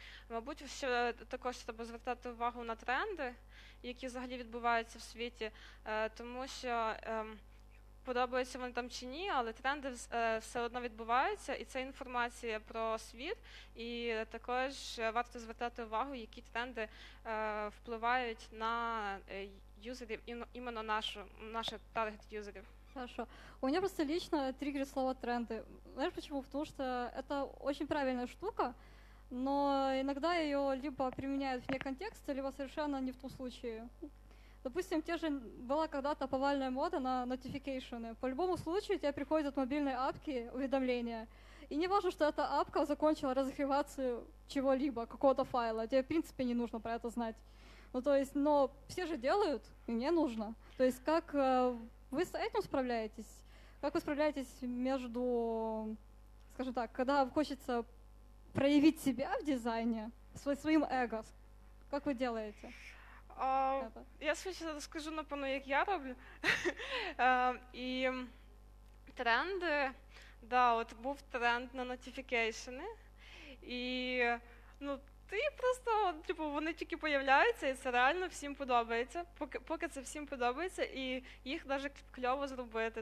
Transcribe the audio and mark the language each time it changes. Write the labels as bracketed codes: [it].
[uk] Мабуть, ще також треба звертати увагу на тренди, які взагалі відбуваються в світі, тому що подобаються вони там чи ні, але тренди все одно відбуваються, і це інформація про світ, і також варто звертати увагу, які тренди впливають на юзерів, іменно наші таргет юзерів. [ru] Хорошо. У меня просто лично триггерит слово «тренды». Знаешь почему? Потому что это очень правильная штука, но иногда ее либо применяют вне контекста, либо совершенно не в том случае. Допустим, те же была когда-то повальная мода на notification. По любому случаю тебе приходят от мобильной апки уведомления. И не важно, что эта апка закончила разогреваться чего-либо, какого-то файла. Тебе, в принципе, не нужно про это знать. Ну, то есть, но все же делают, и мне нужно. То есть как... Вы с этим справляетесь? Как вы справляетесь между, скажем так, когда хочется проявить себя в дизайне, своим эго? Как вы делаете? Я сейчас расскажу, напевно, как я роблю. [uk] И тренды, да, вот був тренд на нотификейшени, и, ну, ти просто, типу, вони тільки появляються, і це реально всім подобається. Поки це всім подобається, і їх навіть кльово зробити.